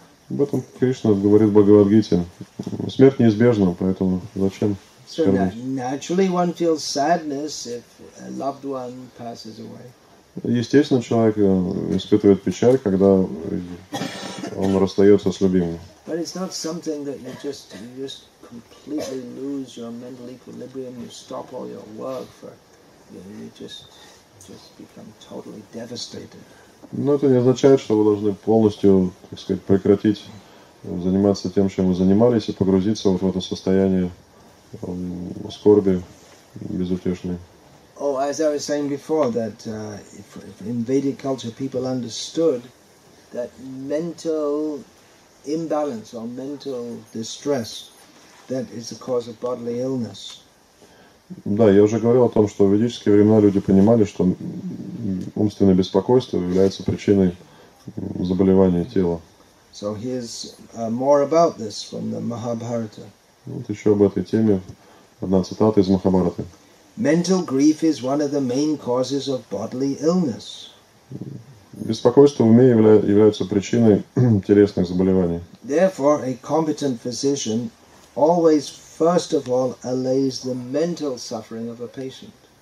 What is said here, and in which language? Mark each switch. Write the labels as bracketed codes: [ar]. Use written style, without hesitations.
[ru] Об этом Кришна говорит в Бхагавад Гите. Смерть неизбежна, поэтому зачем скорбить? [en] So naturally one feels sadness if a loved one passes away. [ru] Естественно, человек испытывает печаль, когда он расстается с любимым. [en] But it's not something that you just completely lose your mental equilibrium, you stop all your work for, you just become totally devastated. [ru] Но это не означает, что вы должны полностью, так сказать, прекратить заниматься тем, чем вы занимались, и погрузиться вот в это состояние скорби безутешной. [en] Oh, as I was saying before, that if in Vedic culture people understood that mental imbalance or mental distress that is the cause of bodily illness. [ru] Да, я уже говорил о том, что в ведические времена люди понимали, что умственное беспокойство является причиной заболевания тела. [en] So here's more about this from the Mahabharata. [ru] Вот еще об этой теме одна цитата из Махабхараты. [en] Mental grief is one of the main causes of bodily illness. [ru] Беспокойство в уме является причиной телесных заболеваний. [en] Therefore, a competent physician always first of all allays the mental suffering of a patient.